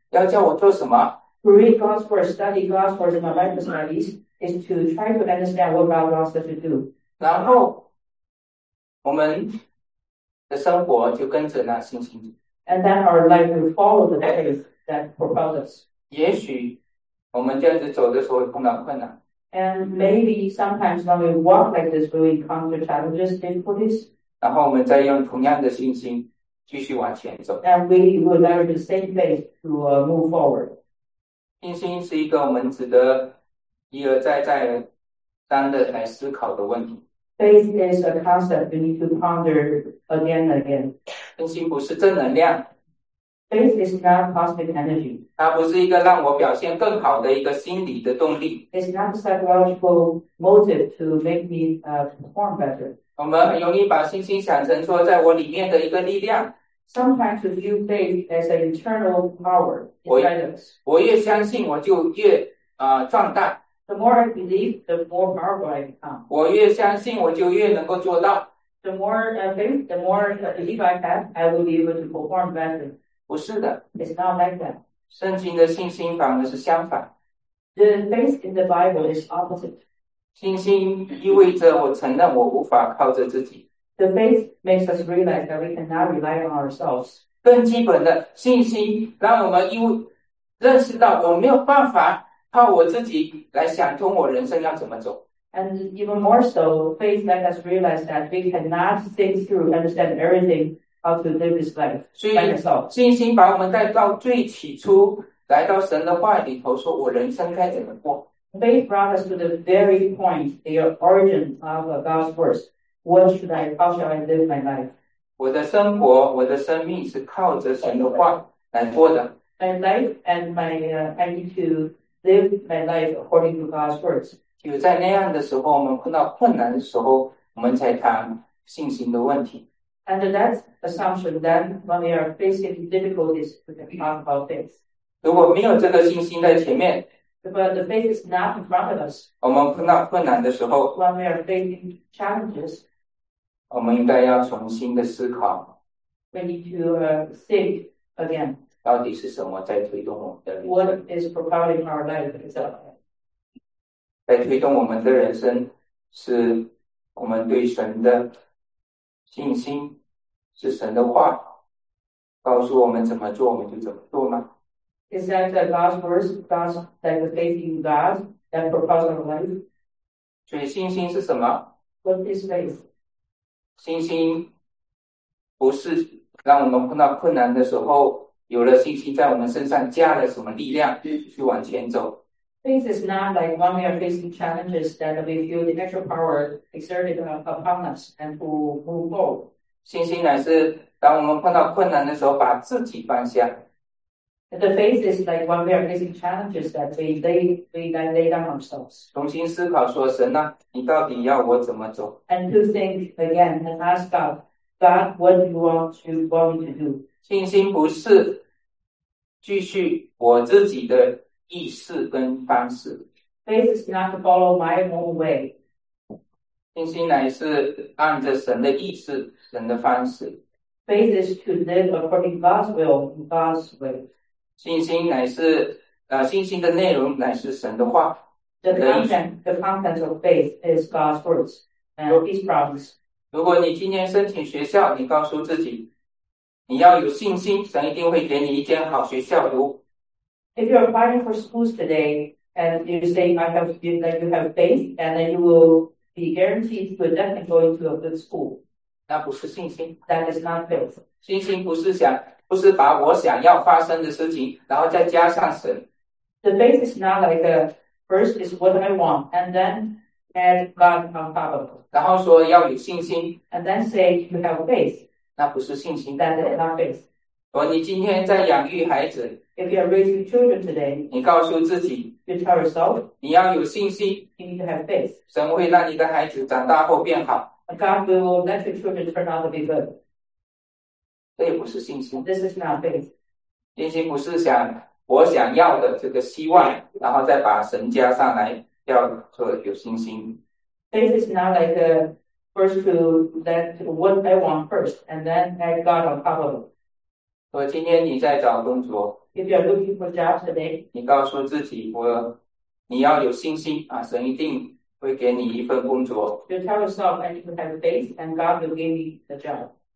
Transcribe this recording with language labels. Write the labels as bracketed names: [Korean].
[Chinese] 查经就是为了明白神到底要叫我做什么。 [English] To read God's word, study God's word in my Bible studies is to try to understand what God wants us to do. [Chinese] 然后我们的生活就跟着那信心。 [English] And then our life will follow the faith that propels us. [Chinese] 也许我们这样子走的时候碰到困难。 [English] And maybe sometimes when we walk like this, we encounter challenges, difficulties. [Chinese] 然后我们再用同样的信心。 [English] And we will leverage the same faith to move forward. [Chinese] 信心是一个我们值得一而再再而三的来思考的问题。 [English] Faith is a concept we need to ponder again and again. [Chinese] 信心不是正能量。 [English] Faith is not positive energy. [Chinese] 它不是一个让我表现更好的一个心理的动力。 [English] It's not a psychological motive to make me perform better. [Chinese] 我们很容易把信心想成说在我里面的一个力量。 [English] Sometimes we view faith as an internal power inside us. [Chinese] 我越相信我就越壮大。 [English] The more I believe, the more powerful I become. [Chinese] 我越相信我就越能够做到。 [English] The more faith, the more belief I have, I will be able to perform better. [Chinese] 不是的。 [English] It's not like that. [Chinese] 圣经的信心反而是相反。 [English] The faith in the Bible is opposite. [Chinese] 信心意味着我承认我无法靠着自己。 [English] The faith makes us realize that we cannot rely on ourselves. [Chinese] 更基本的信心让我们认识到我没有办法靠我自己来想通我人生要怎么走。 [English] And even more so, faith makes us realize that we cannot think through, understand everything how to live this life by yourself. [Chinese] 信心把我们带到最起初来到神的话里头说我人生该怎么过。 [English] Faith brought us to the very point, the origin of God's words. What should I, how shall I live my life? [Chinese] 我的生活我的生命是靠着神的话来过的。 [English] My life and my, I need to live my life according to God's words. [Chinese] 有在那样的时候我们碰到困难的时候我们才谈信心的问题。 [English] And that assumption, then when we are facing difficulties, we can talk about faith. [Chinese] 如果没有这个信心在前面 [English] But the faith is not in front of us. [Chinese] 我们碰到困难的时候 [English] When we are facing challenges, [Chinese] 我们应该要重新的思考 [English] We need to think again. [Chinese] 到底是什么在推动我们的人 [English] What is propelling our life itself? [Chinese] 来推动我们的人生是我们对神的信心是神的话告诉我们怎么做我们就怎么做吗 [English] Is that the God's words God's that the faith in God that propels our life [Chinese] 所以信心是什么 [English] What is faith [Chinese] 信心不是让我们碰到困难的时候有了信心在我们身上加了什么力量去往前走 [English] Faith is not like when we are facing challenges that we feel the natural power exerted upon us and to move forward. [Chinese] 信心乃是当我们碰到困难的时候把自己放下。 [English] The faith is like when we are facing challenges that we lay down ourselves. [Chinese] 重新思考说神啊你到底要我怎么走 [English] And to think again and ask God, God, what do you want me to do? [Chinese] 信心不是继续我自己的意识跟方式 [English] Faith is not to follow my own way [Chinese] 信心乃是按着神的意识神的方式 [English] Faith is to live according to God's will God's way [Chinese] 信心乃是信心的内容乃是神的话 [English] The content of faith is God's words and His promise [Chinese] 如果你今天申请学校你告诉自己你要有信心神一定会给你一间好学校读 [English] If you are applying for schools today and you say you have faith and then you will be guaranteed to definitely go into a good school. [Chinese] 那不是信心。 [English] That is not faith. [Chinese] 信心不是把我想要发生的事情然后再加上神。 [English] The faith is not like a first is what I want and then add God on top of it. [Chinese] 然后说要有信心。 [English] And then say you have faith. [Chinese] 那不是信心。 [English] That is not faith. [Chinese] 如果你今天在养育孩子 [English] If you are raising children today, [Chinese] 你告诉自己 [English] you tell yourself, [Chinese] 你要有信心 [English] you need to have faith. [Chinese] 神会让你的孩子长大后变好 [English] God will let your children turn out to be good [Chinese] 这也不是信心 [English] This is not faith [Chinese] 信心不是想我想要的这个希望然后再把神加上来要做有信心 [English] Faith is not like a first to that what I want first and then add God on top of it [Chinese] 所以今天你在找工作 [English] If you are looking for jobs today, [Chinese] 你告诉自己你要有信心啊，神一定会给你一份工作 [English] You tell yourself and you have faith and God will give me the job